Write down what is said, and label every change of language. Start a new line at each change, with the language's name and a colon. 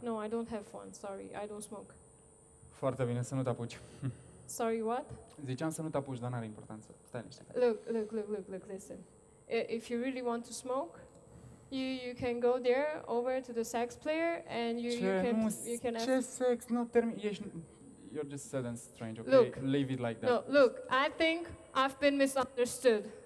English: No, I don't have one, sorry, I don't smoke.
Romanian: Foarte bine, să nu te apuci.
English: Sorry, what?
Romanian: Ziceam să nu te apuci, dar n-are importanță. Stai niște.
English: Look, listen. If you really want to smoke, you can go there over to the sax player and you can ask.
Romanian: Ce sex?
English: No,
Romanian: termin.
English: You're just sad and strange, okay? Look, leave it like that. No, look, I think I've been misunderstood.